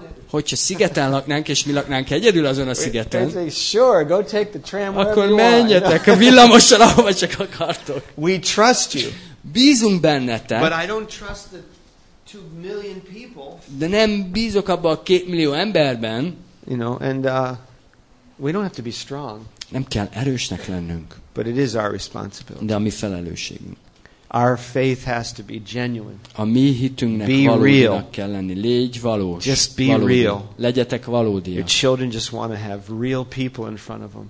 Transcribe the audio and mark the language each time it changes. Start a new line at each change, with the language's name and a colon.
Hungarian: Hogyha szigeten laknánk, és mi laknánk egyedül azon a szigeten,
English: say, sure, go take the tram,
Hungarian: akkor menjetek a villamossal, ahova csak akartok.
English: We trust you.
Hungarian: Bízunk bennetek.
English: But I don't trust the 2 million people.
Hungarian: De nem bízok abba a 2 millió emberben.
English: You know, and we don't have to be strong.
Hungarian: Nem kell erősnek lennünk.
English: But it is our responsibility.
Hungarian: De a mi felelősségünk.
English: Our faith has to be genuine.
Hungarian: A mi hitünknek valódinak kell lenni. Légy valós.
English: Just be
Hungarian: valódi.
English: Real.
Hungarian: Legyetek valódiak.
English: Your children just want to have real people in front of them.